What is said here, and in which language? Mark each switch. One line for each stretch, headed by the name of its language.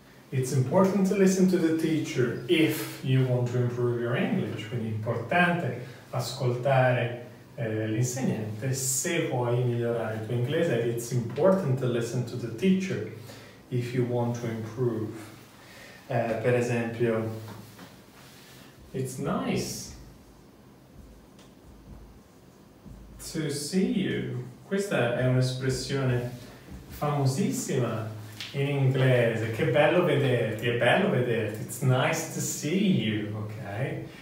English: It's important to listen to the teacher if you want to improve your English.
Italian: Quindi è importante ascoltare l'insegnante se vuoi migliorare il tuo inglese.
English: It's important to listen to the teacher if you want to improve.
Italian: Per esempio,
English: it's nice to see you.
Italian: Questa è un'espressione famosissima in inglese, che bello vederti, è bello vederti,
English: it's nice to see you,
Italian: ok?